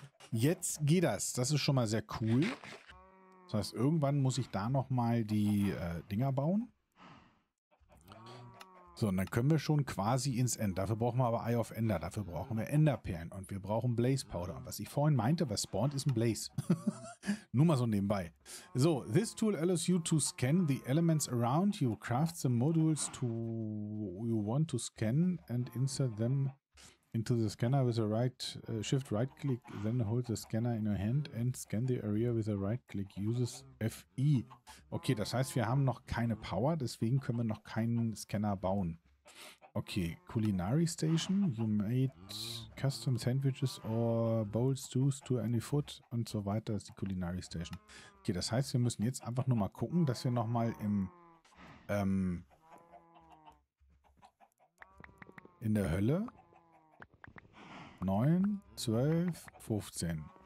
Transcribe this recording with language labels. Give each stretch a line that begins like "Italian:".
German: Jetzt geht das. Das ist schon mal sehr cool. Das heißt, irgendwann muss ich da nochmal die Dinger bauen. So, und dann können wir schon quasi ins End. Dafür brauchen wir aber Eye of Ender. Dafür brauchen wir Enderperlen. Und wir brauchen Blaze Powder. Und was ich vorhin meinte, was spawnt, ist ein Blaze. Nur mal so nebenbei.
English: So, this tool allows you to scan the elements around you. Craft the modules to you want to scan and insert them into the scanner with a right shift right click. Then hold the scanner in your hand and scan the area with a right click. Uses FE.
German: Okay, das heißt, wir haben noch keine Power, deswegen können wir noch keinen Scanner bauen.
English: Okay, Culinary Station. You made custom sandwiches or bowl stews to any food
German: und so weiter. Das ist die Culinary Station. Okay, das heißt, wir müssen jetzt einfach nur mal gucken, dass wir nochmal im in der Hölle 9, 12, 15.